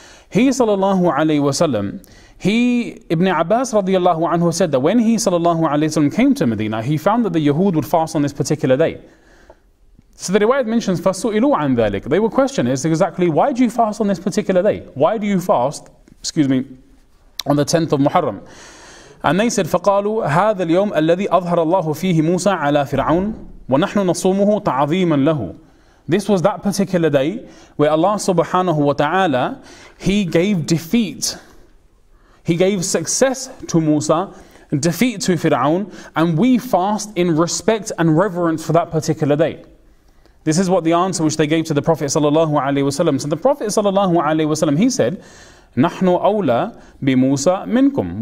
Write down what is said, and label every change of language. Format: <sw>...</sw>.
<en>He sallallahu alayhi wasallam, Ibn Abbas radiallahu anhu said that when he sallallahu alayhi wasallam came to Medina, he found that the Yahud would fast on this particular day. So the riwayat mentions,</en> <ar>فَسُئِلُوا عَنْ ذَلِكَ.</ar> <en>They were questioned, is exactly, why do you fast on this particular day? Why do you fast, on the 10th of Muharram? And they said,</en> <ar>فَقَالُوا هَذَا الْيَوْمَ الَّذِي أَظْهَرَ اللَّهُ فِيهِ مُوسَى عَلَى فِرْعَوْنَ وَنَحْنُ نَصُومُهُ تَعَظِيمًا لَهُ.</ar> <en>This was that particular day where Allah subhanahu wa ta'ala, He gave defeat. He gave success to Musa, defeat to Fir'aun, and we fast in respect and reverence for that particular day. This is what the answer which they gave to the Prophet sallallahu alaihi wasallam. So the Prophet sallallahu alaihi wasallam, he said,</en> <ar>"Nahnu awla bi Musa minkum."</ar>